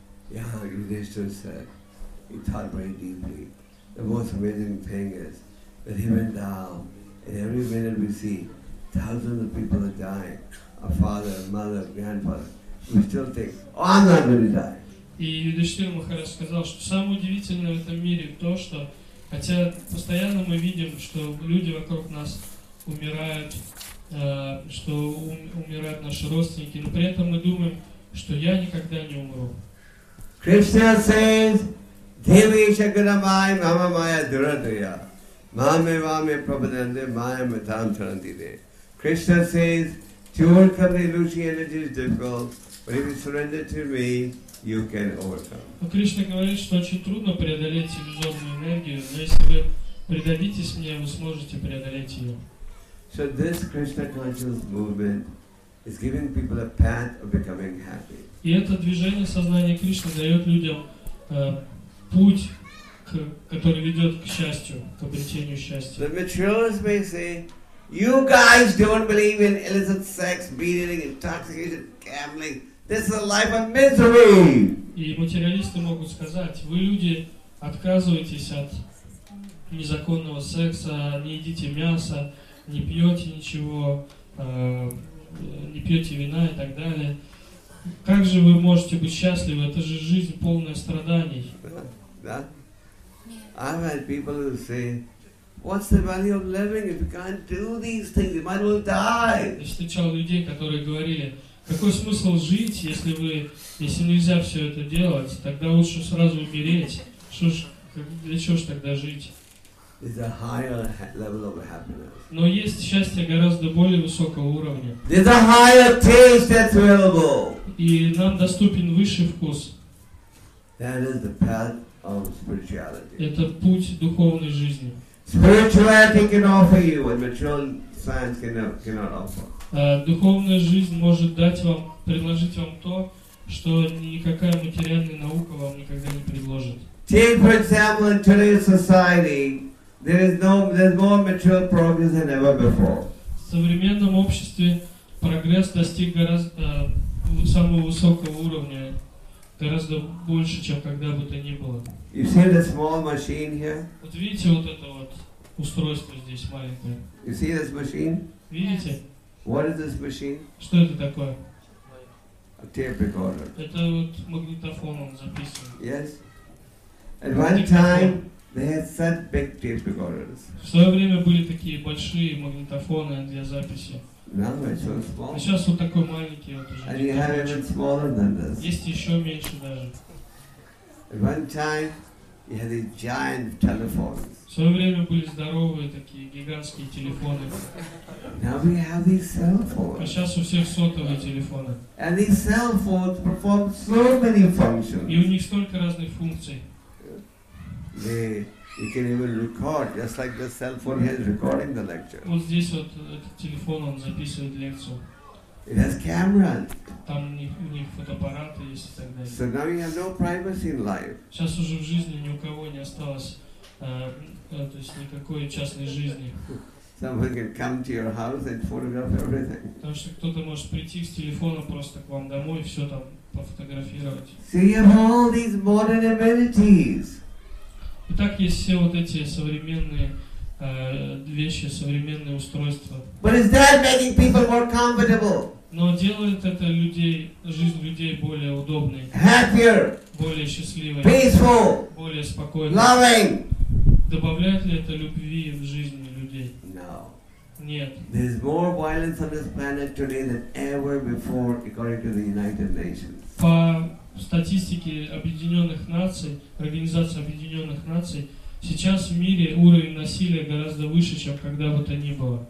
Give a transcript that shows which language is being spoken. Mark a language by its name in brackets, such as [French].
[English] Yeah, Yudhishthira said, he thought very deeply. The most amazing thing is that he went down, and every minute we see thousands of people are dying. A father, a mother, a grandfather. We still think, oh, I'm not going to die. [Russian] И Юдиштхира Махарадж сказал, что самое удивительное в этом мире то, что хотя постоянно мы видим, что люди вокруг нас умирают, что умирают наши родственники, но при этом мы думаем, что я никогда не умру. [English] Krishna says, [Sanskrit] Devishakramai Mama Maya Duradaya. Mame Vame Prabhadande Maya Matam Tarandide. [English] Krishna says, to overcome the illusory energy is difficult, but if you surrender to me, you can overcome. [Russian] Krishna говорит, что очень трудно преодолеть иллюзорную энергию, но если вы предадитесь мне, вы сможете преодолеть ее. [English] So this Krishna conscious movement is giving people a path of becoming happy. [Russian] И это движение сознания Кришны дает людям путь, который ведет к счастью, к обретению счастья. [English] The materialists may say, you guys don't believe in illicit sex, beating, intoxication, gambling. This is a life of misery. [Russian] И материалисты могут сказать, вы люди отказываетесь от незаконного секса, не едите мясо, не пьете ничего, не пьете вина и так далее. Как же вы можете быть счастливы? Это же жизнь полная страданий. Да? [English] I've had people who say, what's the value of living if you can't do these things? You might as well die. [Russian] Я встречал людей, которые говорили, какой смысл жить, если нельзя все это делать, тогда лучше сразу умереть. Что ж, для чего ж тогда жить? [English] It's a higher level of happiness. [Russian] Но есть счастье гораздо более высокого уровня. [English] There's a higher taste that's available. [Russian] И нам доступен высший вкус. [English] That is the path of spirituality. [Russian] Это путь духовной жизни. [English] Spirituality can offer you what material science cannot offer. [Russian] Духовная жизнь может дать вам, предложить вам то, что никакая материальная наука вам никогда не предложит. [English] Take for example in today's society, there's more material progress than ever before. [Russian] В современном обществе прогресс достиг гораздо самого высокого уровня, гораздо больше, чем когда бы то ни было. [English] You see the small machine here? [Russian] Вот видите вот это вот устройство здесь маленькое? [English] You see this machine? [Russian] Видите? [English] What is this machine? [Russian] Что это такое? [English] A tape recorder. [Russian] Это вот магнитофон он записывает. [English] Yes. At one time they had such big tape recorders. [Russian] В свое время были такие большие магнитофоны для записи. [English] Now it's so small. [Russian] А сейчас вот такой маленький вот уже. [English] And you have even smaller than this. [Russian] Есть еще меньше даже. [English] At one time you had these giant telephones. [Russian] В свое время были здоровые такие гигантские телефоны. [English] Now we have these cell phones. [Russian] А сейчас у всех сотовые телефоны. [English] And these cell phones perform so many functions. [Russian] И у них столько разных функций. [English] You can even record, just like the cell phone here is recording the lecture. [Russian] Вот здесь вот этот телефон, он записывает лекцию. [English] It has cameras. [Russian] Там у них фотоаппараты есть и так далее. [English] So now you have no privacy in life. [Russian] Сейчас уже в жизни ни у кого не осталось, то есть никакой частной жизни. [English] Someone can come to your house and photograph everything. [Russian] Потому что кто-то может прийти с телефона просто к вам домой и все там пофотографировать. [English] So you have all these modern amenities. [Russian] И так есть все вот эти современные вещи, современные устройства. [English] But is that making people more comfortable? [Russian] Но делает это людей, жизнь людей более удобной. [English] Happier. [Russian] Более счастливой. [English] Peaceful. [Russian] Более спокойной. [English] Loving. [Russian] Добавляет ли это любви в жизни людей? [English] No. [Russian] Нет. [English] There is more violence on this planet today than ever before, according to the United Nations. [Russian] В статистике Объединенных Наций, Организации Объединенных Наций, сейчас в мире уровень насилия гораздо выше, чем когда бы то ни было.